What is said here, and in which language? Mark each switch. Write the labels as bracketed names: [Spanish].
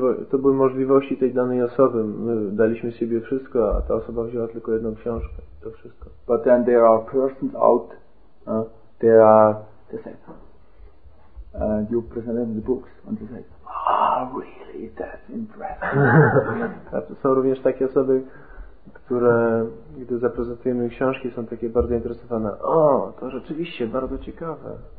[Polish] To były możliwości tej danej osoby. My daliśmy siebie wszystko, a ta osoba wzięła tylko jedną książkę. To wszystko. [English] But then there are persons out. They say, you present them the books, and they say, really, that's impressive. [Polish] Są również takie osoby, które, gdy zaprezentujemy ich książki, są takie bardzo interesowane. O, to rzeczywiście bardzo ciekawe.